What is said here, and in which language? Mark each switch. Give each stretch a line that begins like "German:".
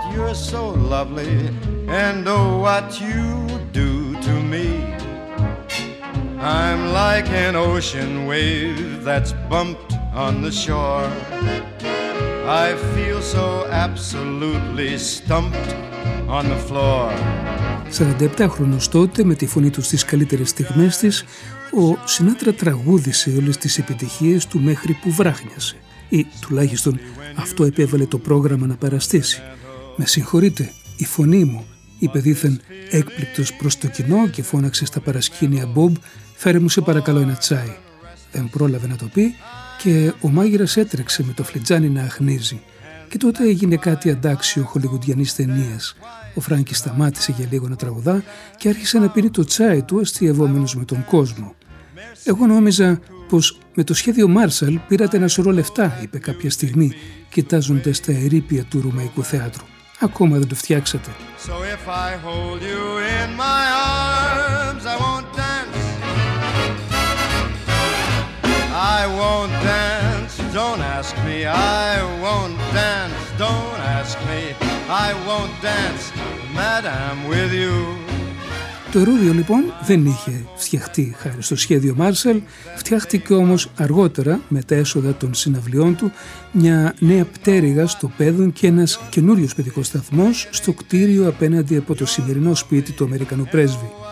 English: You're so lovely. And oh, what you do to me. I'm like an ocean wave that's bumped on the shore. I feel so absolutely stumped on the floor.
Greek: 47χρονος τότε, με τη φωνή του στις καλύτερες στιγμές της, ο Σινάτρα τραγούδησε όλες τις επιτυχίες του μέχρι που βράχνιασε. Ή τουλάχιστον αυτό επέβαλε το πρόγραμμα να παραστήσει. «Με συγχωρείτε, η φωνή μου», είπε δήθεν έκπληκτος προς το κοινό και φώναξε στα παρασκήνια «Μπομπ, φέρε μου σε παρακαλώ ένα τσάι». Δεν πρόλαβε να το πει και ο μάγειρας έτρεξε με το φλιτζάνι να αχνίζει. Και τότε έγινε κάτι αντάξιο χολιγουντιανής ταινίας. Ο Φράγκη σταμάτησε για λίγο να τραγουδά και άρχισε να πίνει το τσάι του αστειευόμενος με τον κόσμο. «Εγώ νόμιζα πως με το σχέδιο Μάρσαλ πήρατε ένα σωρό λεφτά», είπε κάποια στιγμή, κοιτάζοντας τα ερείπια του Ρωμαϊκού θέατρου. «Ακόμα δεν το φτιάξατε».
English: So if I hold you in my arms, I won't dance. I won't dance, don't ask me. I won't dance, don't ask me. I won't dance, madam, with you.
Greek: Το ερώδιο λοιπόν δεν είχε φτιαχτεί χάρη στο σχέδιο Μάρσαλ, φτιάχτηκε όμως αργότερα με τα έσοδα των συναυλιών του μια νέα πτέρυγα στο Πέδον και ένας καινούριος παιδικός σταθμός στο κτίριο απέναντι από το σημερινό σπίτι του Αμερικανού πρέσβη.